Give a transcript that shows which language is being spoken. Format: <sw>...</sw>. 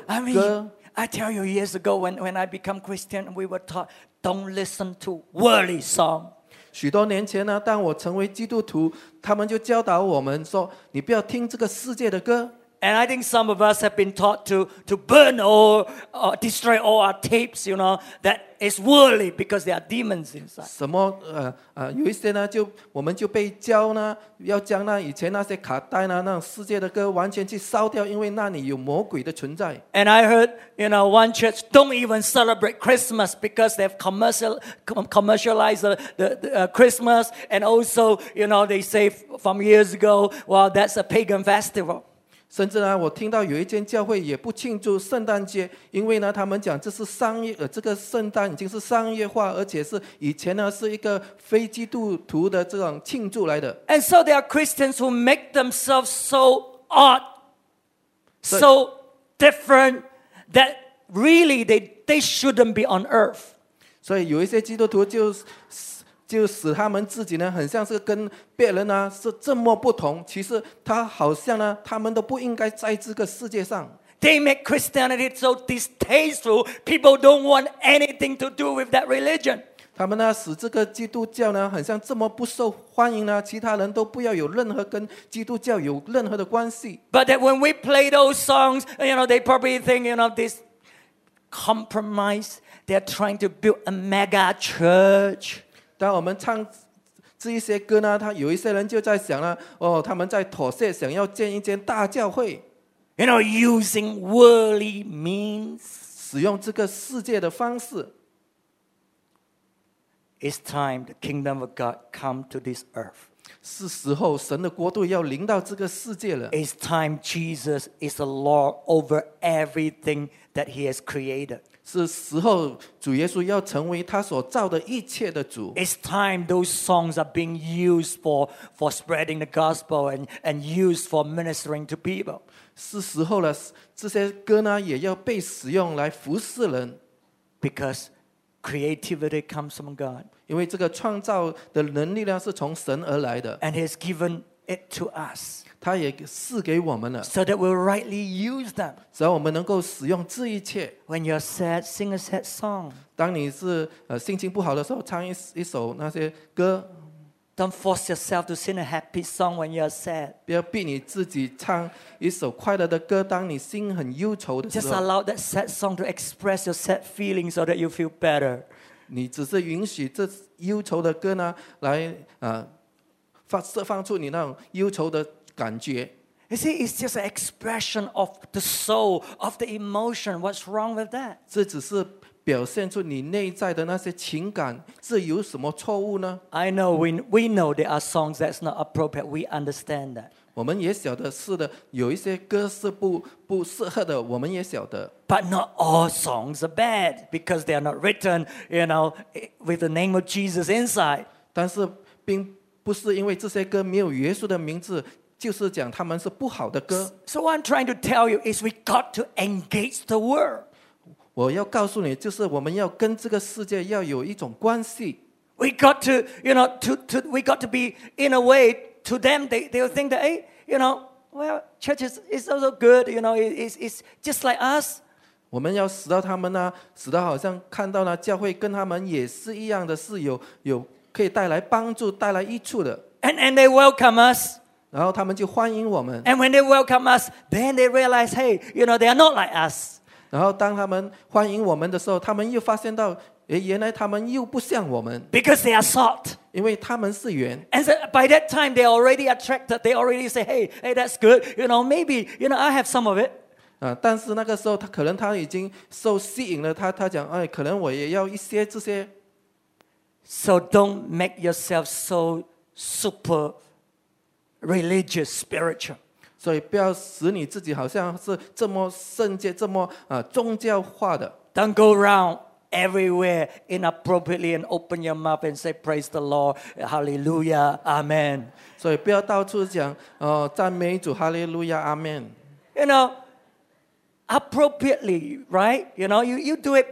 <en>I mean, I tell you, years ago when I become Christian, we were taught don't listen to worldly song.</en> <zh>许多年前呢，当我成为基督徒，他们就教导我们说，你不要听这个世界的歌。</zh> <en>And I think some of us have been taught to burn or destroy all our tapes, you know, that is worldly because there are demons inside.</en> <zh>什么有一些呢就我们就被教呢要将那以前那些卡带呢那世界的歌完全去烧掉，因为那里有魔鬼的存在。</zh> <en>And I heard, you know, one church don't even celebrate Christmas because they've commercialized the Christmas, and also, you know, they say from years ago, well, that's a pagan festival.</en> <zh>甚至呢，我听到有一间教会也不庆祝圣诞节，因为呢，他们讲这是商业，这个圣诞已经是商业化，而且是以前呢是一个非基督徒的这种庆祝来的。</zh> <en>And so there are Christians who make themselves so odd, so different that really they shouldn't be on earth.</en> <zh>所以有一些基督徒就使他们自己呢，很像是跟别人呢是这么不同。其实他好像呢，他们都不应该在这个世界上。</zh> <en>They make Christianity so distasteful; people don't want anything to do with that religion.</en> <zh>他们呢，使这个基督教呢，很像这么不受欢迎呢，其他人都不要有任何跟基督教有任何的关系。</zh> <en>But that when we play those songs, you know, they probably think, you know, this compromise. They're trying to build a mega church.</en> <zh>当我们唱这一些歌呢，他有一些人就在想了，哦，他们在妥协，想要建一间大教会。</zh> <en>You know, using worldly means.</en> <zh>使用这个世界的方式。</zh> <en>It's time the kingdom of God come to this earth.</en> <zh>是时候神的国度要临到这个世界了。</zh> <en>It's time Jesus is the Lord over everything that He has created.</en> <zh>是时候主耶稣要成为他所造的一切的主。</zh> <en>It's time those songs are being used for spreading the gospel and used for ministering to people.</en> <zh>是时候了，这些歌呢也要被使用来服侍人。</zh> <en>Because creativity comes from God.</en> <zh>因为这个创造的能力呢是从神而来的。</zh> <en>And He has given it to us.</en> <zh>他也赐给我们了</zh> <en>so that we'll rightly use them.</en> <zh>只要我们能够使用这一切</zh> <en>When you're sad, sing a sad song.</en> <zh>当你是心情不好的时候，唱一首那些歌。</zh> <en>Don't force yourself to sing a happy song when you're sad.</en> <zh>不要逼你自己唱一首快乐的歌，当你心很忧愁的时候。</zh> <en>Just allow that sad song to express your sad feelings so that you feel better.</en> <zh>你只是允许这忧愁的歌呢，来释放出你那种忧愁的。感觉</zh> <en>you see, it's just an expression of the soul, of the emotion. What's wrong with that?</en> <zh>这只是表现出你内在的那些情感，这有什么错误呢？</zh> <en>I know we know there are songs that's not appropriate. We understand that.</en> <zh>我们也晓得是的，有一些歌是不适合的，我们也晓得。</zh> <en>But not all songs are bad because they are not written, you know, with the name of Jesus inside.</en> <zh>但是并不是因为这些歌没有耶稣的名字。就是讲他们是不好的歌。</zh> <en>So what I'm trying to tell you is we got to engage the world.</en> <zh>我要告诉你，就是我们要跟这个世界要有一种关系。</zh> <en>We got to, you know, to we got to be in a way to them. They'll think that, hey, you know, well, church is also good. You know, it's just like us.</en> <zh>我们要使到他们呢，使到好像看到呢，教会跟他们也是一样的，是有可以带来帮助、带来益处的。</zh> <en>And they welcome us.</en> <zh>然后他们就欢迎我们。</zh> <en>And when they welcome us, then they realize, hey, you know, they are not like us.</en> <zh>然后当他们欢迎我们的时候，他们又发现到，原来他们又不像我们。</zh> <en>Because they are salt.</en> <zh>因为他们是盐。</zh> <en>And so by that time, they are already attracted. They already say, hey, that's good. You know, maybe, you know, I have some of it.</en> <zh>但是那个时候，他可能他已经受吸引了。他讲，哎，可能我也要一些这些。</zh> <en>So don't make yourself so super. Religious, spiritual.</en> <zh>所以不要使你自己好像是这么圣洁，这么宗教化的。</zh> <en>Don't go around everywhere inappropriately and open your mouth and say praise the Lord, Hallelujah, Amen.</en> <zh>所以不要到处讲赞美主 ，Hallelujah, Amen.</zh> <en>You know, appropriately, right? You know, you do it.</en>